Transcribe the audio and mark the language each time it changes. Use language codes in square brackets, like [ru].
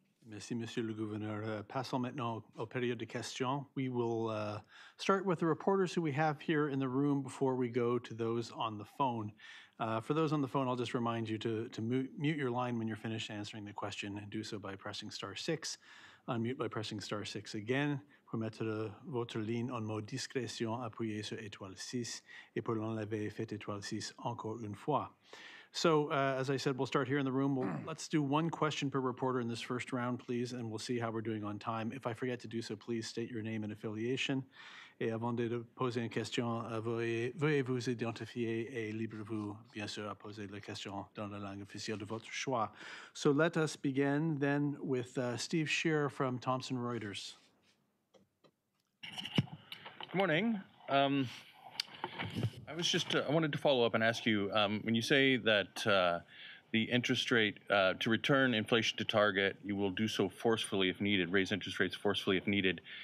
[fr] Merci, Monsieur le Gouverneur. Passons maintenant au période de questions. [en] We will start with the reporters who we have here in the room before we go to those on the phone. For those on the phone, I'll just remind you to mute your line when you're finished answering the question, and do so by pressing star 6. Unmute by pressing star 6 again. [fr] Pour mettre votre ligne en mode discrétion, appuyez sur étoile 6. Et pour l'enlever, faites étoile 6 encore une fois. [en] So, as I said, we'll start here in the room. Let's do one question per reporter in this first round, please, and we'll see how we're doing on time. If I forget to do so, please state your name and affiliation. [fr] Et avant de poser une question, veuillez vous identifier et libre-vous, bien sûr, à poser la question dans la langue officielle de votre choix. [en] So let us begin then with Steve Scheer from Thomson Reuters. Good morning. I wanted to follow up and ask you, when you say that the interest rate, to return inflation to target, you will do so forcefully if needed, raise interest rates forcefully if needed.